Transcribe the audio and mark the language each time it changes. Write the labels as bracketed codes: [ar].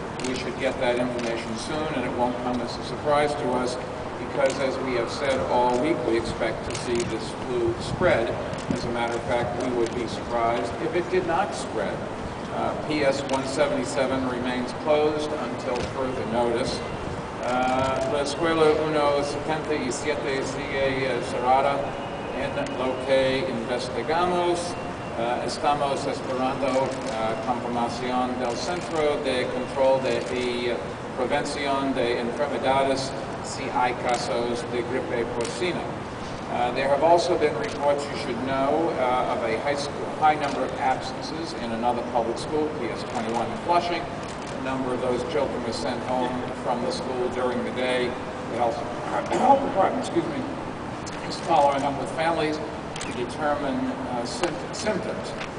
[en] We should get that information soon, and it won't come as a surprise to us because, as we have said all week, we expect to see this flu spread. As a matter of fact, we would be surprised if it did not spread. PS-177 remains closed until further notice. [es] La escuela 177 sigue cerrada en lo que investigamos. Estamos esperando confirmación del Centro de Control de Prevención de Enfermedades si hay casos de gripe porcina. [en] There have also been reports, you should know, of a high number of absences in another public school, PS21 in Flushing. Number of those children were sent home from the school during the day. The health department is following up with families to determine symptoms.